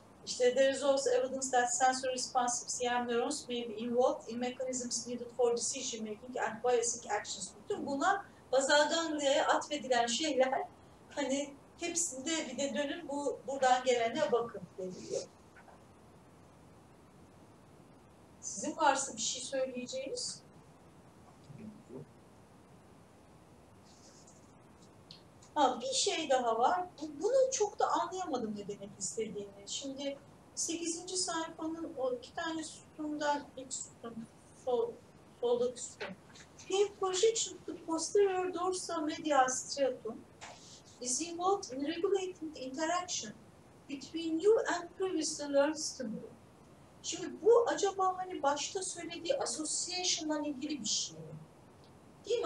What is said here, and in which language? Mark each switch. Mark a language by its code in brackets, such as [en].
[en] İşte there is also evidence that sensory responsive CM neurons may be involved in mechanisms needed for decision making and biasing actions. [tr] Bütün buna bazal ganglia'ya atfedilen şeyler hani hepsinde bir de dönün bu buradan gelene bakın deniliyor. Sizin varsa bir şey söyleyeceğiniz? Ha, bir şey daha var. Bunu çok da anlayamadım ne demek istediğini. Şimdi 8. sayfanın o iki tane sütundan ilk sütun, soldaki sütun. [en] He projection to posterior dorsal medial striatum is involved in regulating the interaction between new and previously learned stimuli. [tr] Şimdi bu acaba hani başta söylediği association'la ilgili bir şey mi? Değil mi?